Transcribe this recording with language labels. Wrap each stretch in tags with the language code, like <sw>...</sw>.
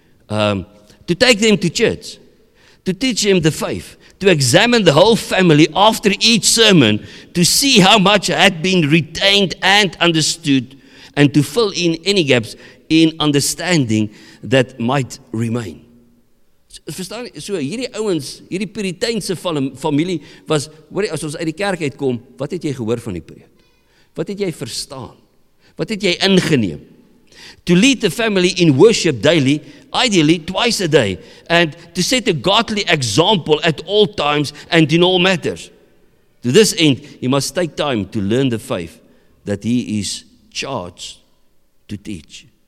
<en>To take them to church, to teach them the faith, to examine the whole family after each sermon, to see how much had been retained and understood, and to fill in any gaps in understanding that might remain.</en> <af>Verstaan, so hierdie ouens, hierdie Puritynse familie was, hoor jy, as ons uit die kerk uitkom, wat het jy gehoor van die preek? Wat het jy verstaan? Wat het jy ingeneem?</af> <en>To lead the family in worship daily, ideally twice a day, and to set a godly example at all times and in all matters. To this end, he must take time to learn the faith that he is charged to teach.</en>